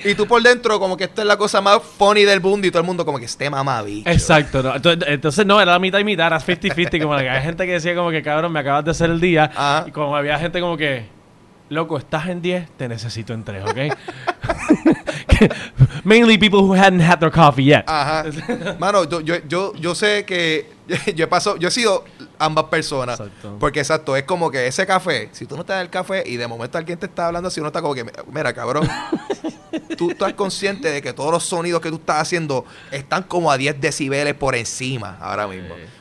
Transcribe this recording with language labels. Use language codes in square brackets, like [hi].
[es] Y tú por dentro, como que esta es la cosa más funny del mundo, y todo el mundo como que esté mamabicho. Exacto, ¿no? Entonces no, era la mitad y mitad, era 50-50. Como que había gente que decía como que, cabrón, me acabas de hacer el día. Ajá. Y como había gente como que, loco, estás en 10, te necesito en 3, ¿ok? [en] Mainly people who hadn't had their coffee yet. Ajá. [es] Mano, yo sé que yo he sido ambas personas. Exacto. Porque exacto, es como que ese café, si tú no te das el café y de momento alguien te está hablando así, uno está como que, mira, cabrón, tú estás consciente de que todos los sonidos que tú estás haciendo están como a 10 decibeles por encima ahora mismo. Sí.